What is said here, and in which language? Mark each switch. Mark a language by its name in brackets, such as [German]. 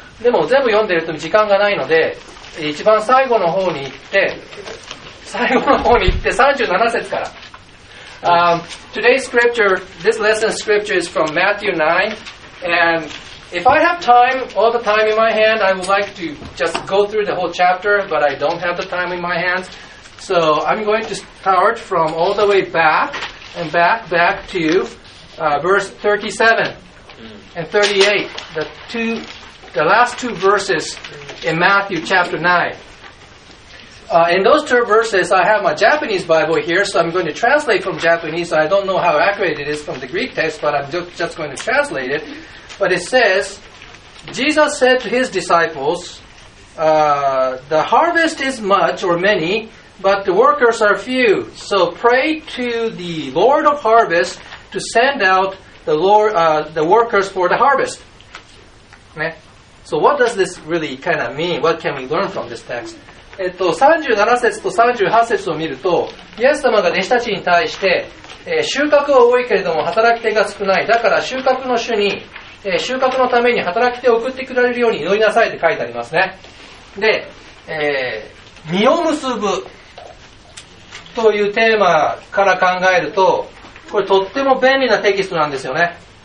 [Japanese] でも全部読んでると時間がないので、一番最後の方に行って、最後の方に行って37節から。 [English] Today's scripture, this lesson scripture is from Matthew 9, andIf I have time, all the time in my hand, I would like to just go through the whole chapter, but I don't have the time in my hands. So I'm going to start from all the way back to verse 37 and 38, the last two verses in Matthew chapter 9. In those two verses, I have my Japanese Bible here, so I'm going to translate from Japanese. I don't know how accurate it is from the Greek text, but I'm just going to translate it. But it says, Jesus said to his disciples, the harvest is much or many, but the workers are few. So pray to the Lord of harvest to send out the workers for the harvest. Ne? So what does this really kind of mean? What can we learn from this text? [Japanese] 37節と38節を見ると、イエス様が弟子たちに対して、収穫は多いけれども働き手が少ない。だから収穫の主に、収穫のために働き手を送ってくれるように祈りなさいって書いてありますね。で、実を結ぶというテーマから考えると、これとっても便利なテキストなんですよね。